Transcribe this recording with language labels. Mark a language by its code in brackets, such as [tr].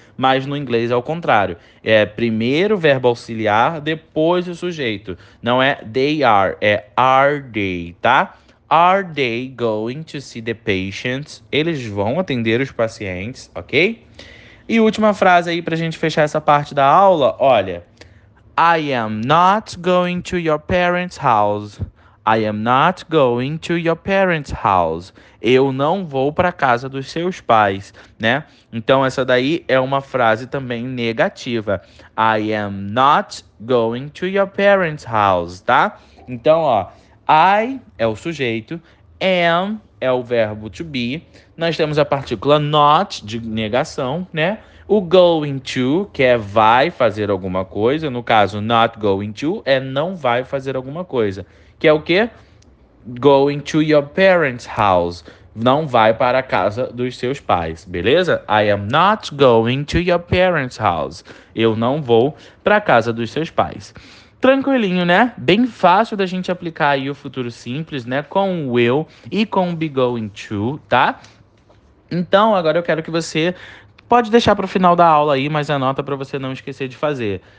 [pt] Mas no inglês é o contrário. É primeiro o verbo auxiliar, depois o sujeito. Não é [en] they are, é are they, tá? Are they going to see the patients? [pt] Eles vão atender os pacientes, ok? E última frase aí para a gente fechar essa parte da aula, olha. [en] I am not going to your parents' house. I am not going to your parents' house. [pt] Eu não vou para casa dos seus pais, né? Então essa daí é uma frase também negativa. [en] I am not going to your parents' house, tá? [pt] Então, ó, I é o sujeito, am é o verbo to be. Nós temos a partícula not de negação, né? O going to, que é vai fazer alguma coisa, no caso, not going to é não vai fazer alguma coisa. Que é o quê? [en] Going to your parents' house. [pt] Não vai para a casa dos seus pais, beleza? [en] I am not going to your parents' house. [pt] Eu não vou para a casa dos seus pais. Tranquilinho, né? Bem fácil da gente aplicar aí o futuro simples, né? Com o will e com o be going to, tá? Então, agora eu quero que você pode deixar para o final da aula aí, mas anota para você não esquecer de fazer.